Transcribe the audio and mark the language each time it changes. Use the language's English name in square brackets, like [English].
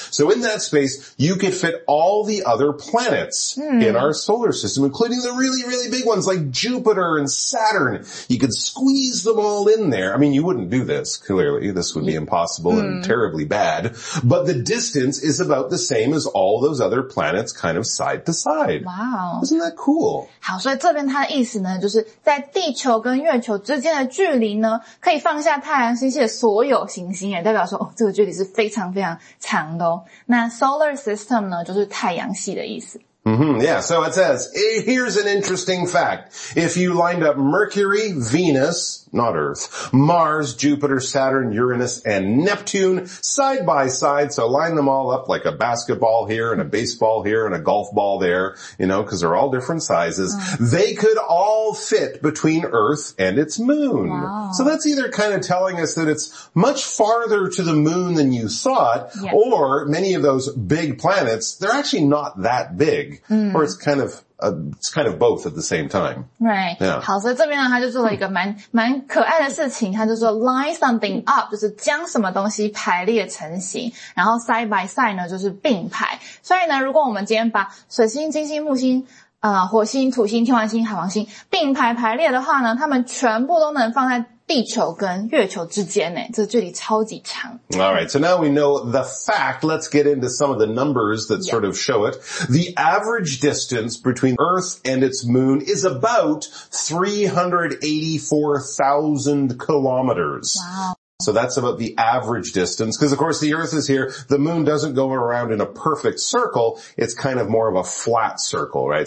[English] So in that space, you could fit all the other planets in our solar system, including the really, really big ones like Jupiter and Saturn. You could squeeze them all in there. I mean, you wouldn't do this, clearly. This would be impossible and terribly bad. But the distance is about the same as all those other planets kind of side to side. 哇、 wow. Isn't that cool? [Chinese] 好，所以这边它的意思呢，就是在地球跟月球之间的距离呢，可以放下太阳系的所有行星，也代表说，这个距离是非常非常长的哦。那 solar system 呢，就是太阳系的意思。 [English] Yeah, so it says, here's an interesting fact. If you lined up Mercury, Venus, not Earth, Mars, Jupiter, Saturn, Uranus, and Neptune side by side, so line them all up like a basketball here and a baseball here and a golf ball there, you know, because they're all different sizes, they could all fit between Earth and its moon. Wow. So that's either kind of telling us that it's much farther to the moon than you thought, or many of those big planets, they're actually not that big. Or it's kind of both at the same time. Right. Yeah. [Chinese] 好，所以这边呢，他就做了一个蛮可爱的事情。他就说 line something up， 就是将什么东西排列成型，然后 side by side 呢，就是并排。所以呢，如果我们今天把水星、金星、木星、火星、土星、天王星、海王星并排排列的话呢，他们全部都能放在地球跟月球之间呢，这距离超级长。 [English] All right, so now we know the fact. Let's get into some of the numbers that sort of show it. The average distance between Earth and its moon is about 384,000 kilometers. Wow. So that's about the average distance, because of course the Earth is here, the moon doesn't go around in a perfect circle, it's kind of more of a flat circle, right?